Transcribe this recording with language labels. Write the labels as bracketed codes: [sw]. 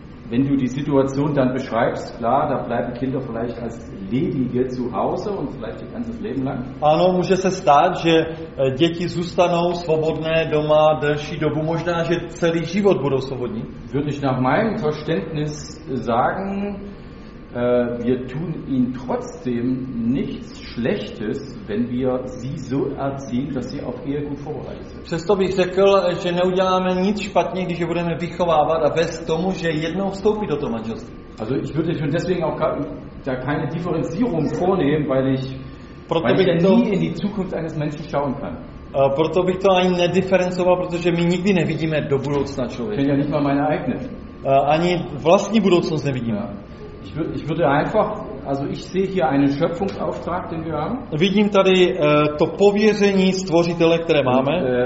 [de] Wenn du die Situation dann beschreibst, klar, da bleiben Kinder vielleicht als ledige zu Hause und vielleicht ihr ganzes Leben lang. [cs] Ano, může se stát, že děti zůstanou svobodné doma delší dobu, možná že celý život budou svobodní. [de] Würde ich nach meinem Verständnis sagen, wir tun ihnen trotzdem nichts Schlechtes, wenn wir sie so erziehen, dass sie auf Ehe gut vorbereitet sind. [cs] Přesto bych řekl, že neuděláme nic špatně, když je budeme vychovávat a vést tomu, že jednou vstoupí do toho manželství. [de] Also ich würde schon deswegen auch da keine Differenzierung vornehmen, weil ich nie in die Zukunft eines Menschen schauen kann. [cs] Proto bych to ani nediferencoval, protože my nikdy nevidíme do budoucna člověka. [de] Ich kenne ja nicht mal meine eigene. [cs] ani vlastní budoucnost nevidíme. [de] Ich würde einfach, also ich sehe hier einen Schöpfungsauftrag, den wir haben. [cs] Vidím tady to pověření stvořitele, které máme.